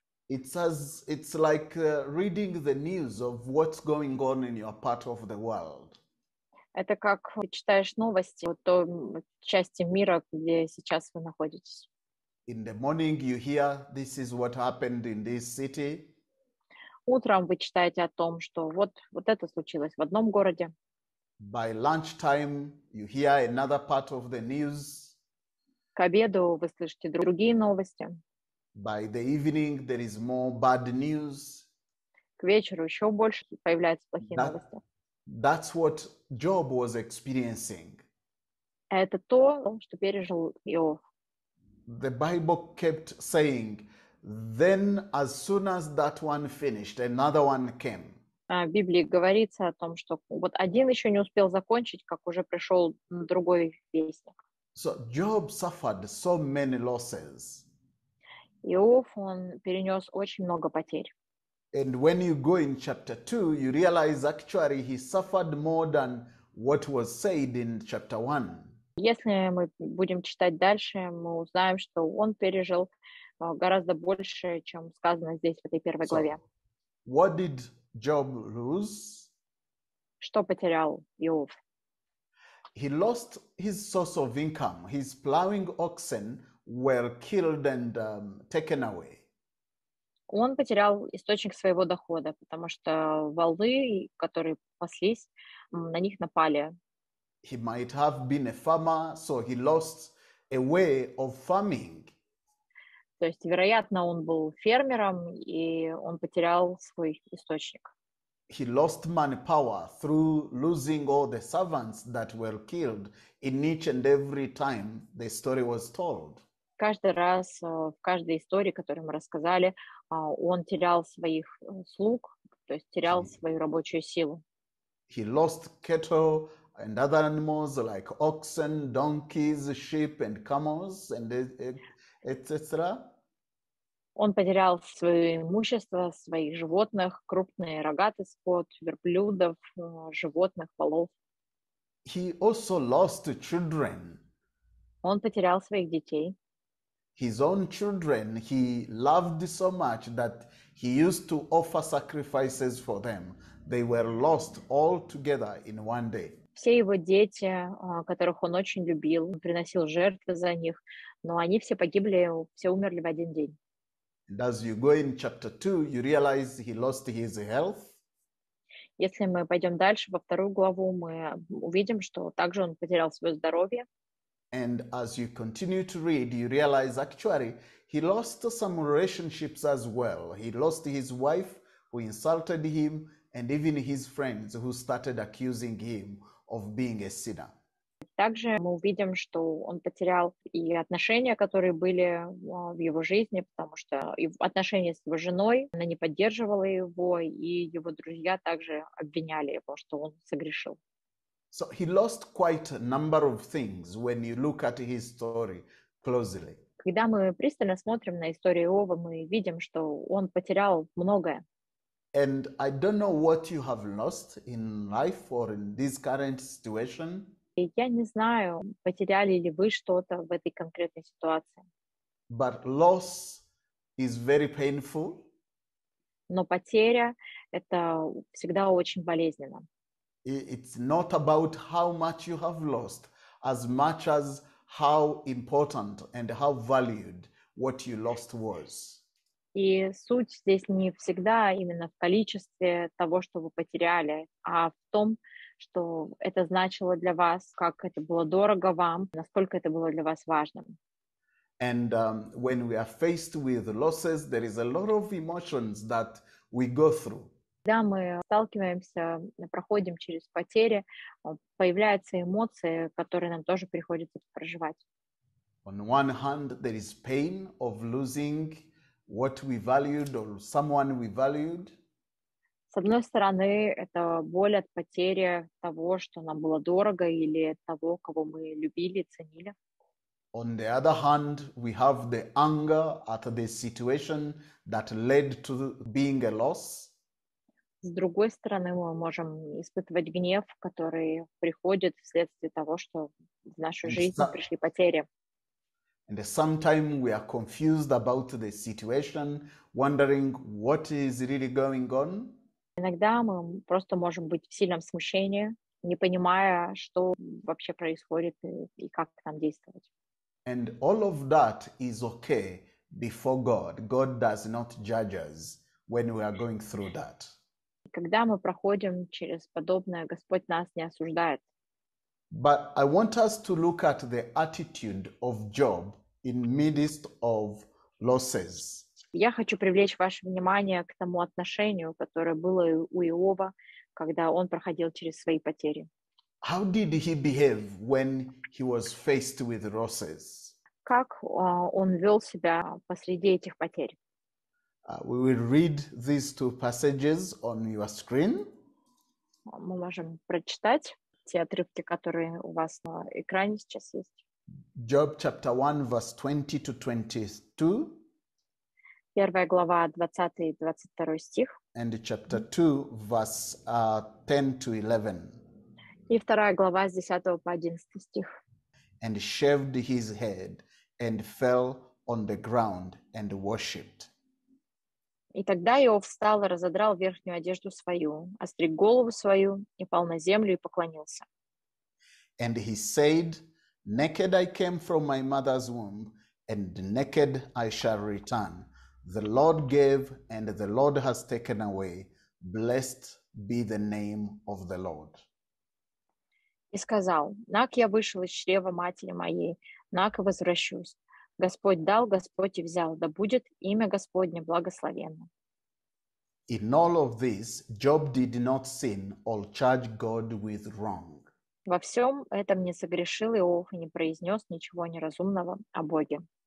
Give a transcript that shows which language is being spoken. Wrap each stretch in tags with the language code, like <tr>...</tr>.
<en>it's like reading the news of what's going on in your part of the world.</en> <ru>это как читаешь новости о той части мира, где сейчас вы находитесь.</ru> <en>In the morning, you hear this is what happened in this city.</en> <ru>Утром вы читаете о том, что вот это случилось в одном городе.</ru> <en>By lunchtime, you hear another part of the news.</en> <ru>к обеду вы слышите другие новости.</ru> <en>By the evening there is more bad news.</en> <ru>К вечеру еще больше появляются плохие новости.</ru> <en>That's what Job was experiencing.</en> <ru>Это то, что пережил Иов.</ru> <en>The Bible kept saying, then as soon as that one finished, another one came.</en> <ru>В Библии говорится о том, что вот один еще не успел закончить, как уже пришел другой вестник.</ru> <en>So Job suffered so many losses.</en> <ru>Иов, он перенес очень много потерь.</ru> <en>And when you go in chapter 2, you realize actually he suffered more than what was said in chapter 1.</en> <ru>Если мы будем читать дальше, мы узнаем, что он пережил гораздо больше, чем сказано здесь в этой первой главе.</ru> <en>What did Job lose?</en> <ru>Что потерял Иов?</ru> <en>He lost his source of income. His plowing oxen were killed and taken away.</en> <ru>Он потерял источник своего дохода, потому что волы, которые паслись, на них напали.</ru> <en>He might have been a farmer, so he lost a way of farming.</en> <ru>То есть, вероятно, он был фермером, и он потерял свой источник.</ru> <en>He lost manpower through losing all the servants that were killed in each and every time the story was told.</en> <ru>Каждый раз, в каждой истории, которую мы рассказали, он терял своих слуг, то есть терял свою рабочую силу.</ru> <en>He lost cattle and other animals like oxen, donkeys, sheep and camels and etc.</en> <ru>Он потерял свое имущество, своих животных, крупный рогатый скот, верблюдов, животных, волов.</ru> <en>He also lost children.</en> <ru>Он потерял своих детей.</ru> <en>His own children he loved so much that he used to offer sacrifices for them. They were lost all together in one day.</en> <ru>Все его дети, которых он очень любил, он приносил жертвы за них, но они все погибли, все умерли в один день.</ru> <en>As you go in chapter 2, you realize he lost his health.</en> <ru>Если мы пойдем дальше, во вторую главу, мы увидим, что также он потерял свое здоровье.</ru> <en>And as you continue to read, you realize actually he lost some relationships as well. He lost his wife who insulted him and even his friends who started accusing him of being a sinner.</en> <ru>Также мы увидим, что он потерял и отношения, которые были в его жизни, потому что отношения с его женой, она не поддерживала его, и его друзья также обвиняли его, что он согрешил.</ru> <en>So he lost quite a number of things when you look at his story closely.</en> <ru>Когда мы пристально смотрим на историю Иова, мы видим, что он потерял многое.</ru> <en>And I don't know what you have lost in life or in this current situation.</en> <ru>Я не знаю, потеряли ли вы что-то в этой конкретной ситуации.</ru> <en>But loss is very painful.</en> <ru>Но потеря — это всегда очень болезненно.</ru> <en>It's not about how much you have lost, as much as how important and how valued what you lost was.</en> <ru>И суть здесь не всегда именно в количестве того, что вы потеряли, а в том, что это значило для вас, как это было дорого вам, насколько это было для вас важным.</ru> <en>And when we are faced with losses, there is a lot of emotions that we go through.</en> <ru>Когда мы сталкиваемся, проходим через потери, появляются эмоции, которые нам тоже приходится проживать.</ru> <en>On one hand, there is pain of losing what we valued or someone we valued.</en> <ru>С одной стороны, это боль от потери того, что нам было дорого, или того, кого мы любили, ценили.</ru> <en>On the other hand, we have the anger at the situation that led to being a loss.</en> <ru>С другой стороны, мы можем испытывать гнев, который приходит вследствие того, что в нашу жизнь пришли потери.</ru> <en>And sometimes we are confused about the situation, wondering what is really going on.</en> <ru>Иногда мы просто можем быть в сильном смущении, не понимая, что вообще происходит и как нам действовать.</ru> <en>And all of that is okay before God. God does not judge us when we are going through that.</en> <ru>Когда мы проходим через подобное, Господь нас не осуждает.</ru> <en>But I want us to look at the attitude of Job in midst of losses.</en> <ru>Я хочу привлечь ваше внимание к тому отношению, которое было у Иова, когда он проходил через свои потери.</ru> <en>How did he behave when he was faced with losses?</en> <ru>Как он вел себя посреди этих потерь?</ru> <en>We will read these two passages on your screen.</en> <ru>Мы можем прочитать те отрывки, которые у вас на экране сейчас есть.</ru> <en>Job chapter 1, verse 20 to 22.</en> <ru>Первая глава, 20-22 стих.</ru> <en>And chapter 2, verse 10 to 11.</en> <ru>И вторая глава, с 10 по 11 стих.</ru> <en>And shaved his head and fell on the ground and worshipped.</en> <ru>И тогда Иов встал и разодрал верхнюю одежду свою, остриг голову свою и пал на землю и поклонился.</ru> <en>And he said, Naked I came from my mother's womb, and naked I shall return. The Lord gave, and the Lord has taken away. Blessed be the name of the Lord.</en> <ru>И сказал, Нак я вышел из чрева матери моей, нак и возвращусь. Господь дал, Господь и взял, да будет имя Господне благословенно.</ru> <en>In all of this, Job did not sin or charge God with wrong.</en> <ru>Во всем этом не согрешил Иов и не произнес ничего неразумного о Боге.</ru>